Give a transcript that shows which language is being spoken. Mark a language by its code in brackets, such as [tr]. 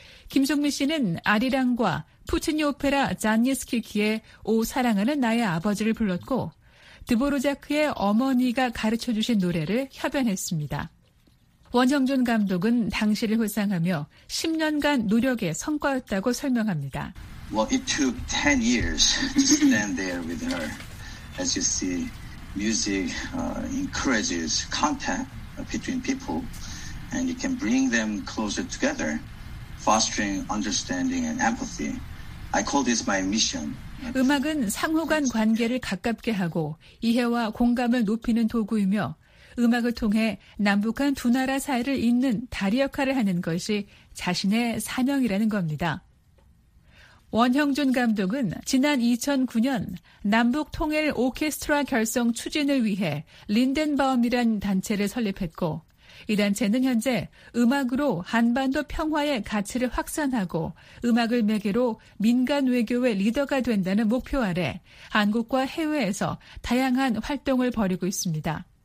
[ko] 김송미 씨는 아리랑과 푸치니 오페라 잔니스키키의 오 사랑하는 나의 아버지를 불렀고 드보로자크의 어머니가 가르쳐주신 노래를 협연했습니다. 원형준 감독은 당시를 회상하며 10년간 노력의 성과였다고 설명합니다. [en] Well, it took 10 years to stand there with her. As you see, music encourages contact between people and it can bring them closer together, fostering understanding and empathy. I call this my mission. [ko] 음악은 상호간 관계를 가깝게 하고 이해와 공감을 높이는 도구이며 음악을 통해 남북한 두 나라 사이를 잇는 다리 역할을 하는 것이 자신의 사명이라는 겁니다. 원형준 감독은 지난 2009년 남북 통일 오케스트라 결성 추진을 위해 린덴바움이란 단체를 설립했고 이 단체는 현재 음악으로 한반도 평화의 가치를 확산하고 음악을 매개로 민간 외교의 리더가 된다는 목표 아래 한국과 해외에서 다양한 활동을 벌이고 있습니다.